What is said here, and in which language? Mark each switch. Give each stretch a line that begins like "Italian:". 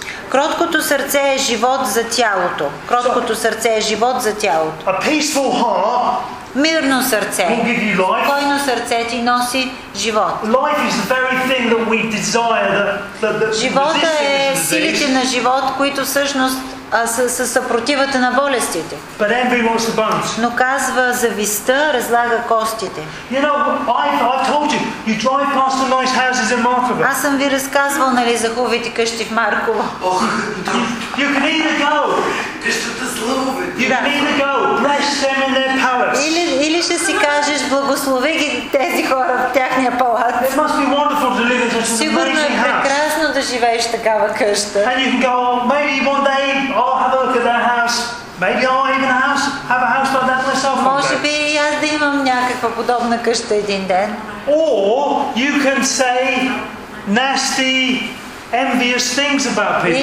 Bulgarian: Кроткото сърце е живот за тялото. Кроткото сърце е живот за тялото.
English: A peaceful heart.
Bulgarian: Мирно сърце.
English: Will give you life.
Bulgarian: Спокойно сърце ти носи живот.
English: Life is the very thing that we desire. That
Bulgarian: живота е силите на живот, които всъщност са съпротивата на болестите.
English: But envy wants the bones.
Bulgarian: Но казва, завистта разлага костите.
English: You know, I've told you, you drive past the nice houses in Markovo.
Bulgarian: Аз съм ви разказвал, нали, за хубавите къщи в Марково.
English: You can either go.
Bulgarian: Къщата с лъвовете.
English: You can either go. Bless them in their palace.
Bulgarian: Или ще си кажеш, благослови ги тези хора в тяхния палат.
English: It must be wonderful to live in such an amazing house.
Bulgarian: Сигурно е прекрасно да живееш такава къща.
English: And you can go, maybe one day I'll have a look at that house. Maybe I'll even have a house like that myself.
Bulgarian: Може би аз да имам някаква подобна къща един ден.
English: Or you can say nasty, envious things about people.